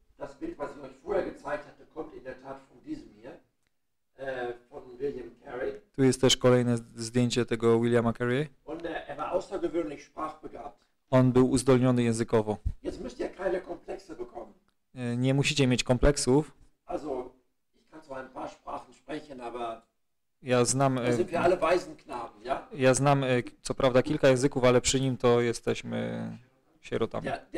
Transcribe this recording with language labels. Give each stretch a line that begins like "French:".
German: Das Bild, was ich euch vorher gezeigt hatte, kommt in der Tat von diesem hier. Von William Carey.
Polish: Tu jest też kolejne zdjęcie tego Williama Carey.
German: Und er war außergewöhnlich sprachbegabt.
Polish: On był uzdolniony językowo.
German: Jetzt müsst ihr keine Komplexe bekommen.
Polish: Nie musicie mieć kompleksów.
German: Also, ich kann zwar ein paar Sprachen sprechen, aber...
Polish: Ja znam co prawda kilka języków, ale przy nim to jesteśmy sierotami.